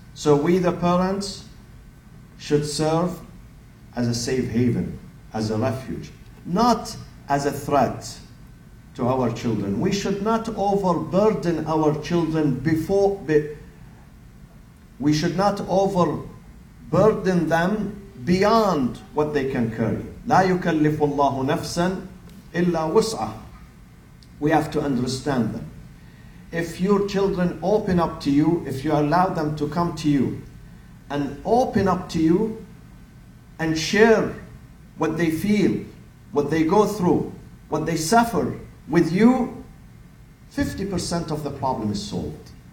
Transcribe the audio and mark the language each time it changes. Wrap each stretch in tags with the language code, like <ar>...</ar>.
<en>So we, the parents, should serve as a safe haven, as a refuge, not as a threat to our children. We should not overburden our children we should not overburden them beyond what they can carry.</en> <ar>لا يكلف الله نفسا إلا وسعة.</ar> <en>We have to understand that. If your children open up to you, if you allow them to come to you and open up to you and share what they feel, what they go through, what they suffer with you, 50% of the problem is solved.</en>